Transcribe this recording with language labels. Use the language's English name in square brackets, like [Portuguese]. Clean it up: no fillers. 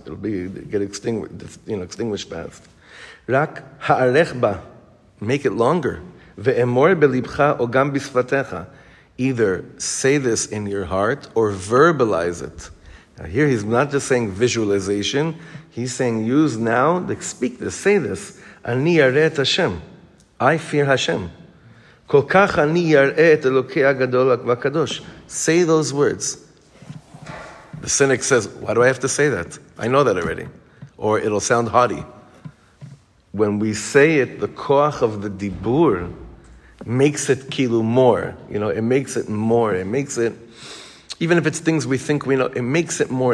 [English] It'll be get extinguished, you know, extinguished fast. [Hebrew] Rak ha'arech ba, [English] make it longer. [Hebrew] ואמור בליבך או גם בשפתך. [English] Either say this in your heart or verbalize it. Now here he's not just saying visualization. He's saying use now, like speak this, say this. [Hebrew] אני יראה את השם. [English] I fear Hashem. [Hebrew] כל כך אני יראה את אלוקי הגדול והקדוש. [English] Say those words. The cynic says, why do I have to say that? I know that already. Or it'll sound haughty. When we say it, the koach of the dibur makes it kilu more. You know, it makes it more. It makes it, even if it's things we think we know, it makes it more.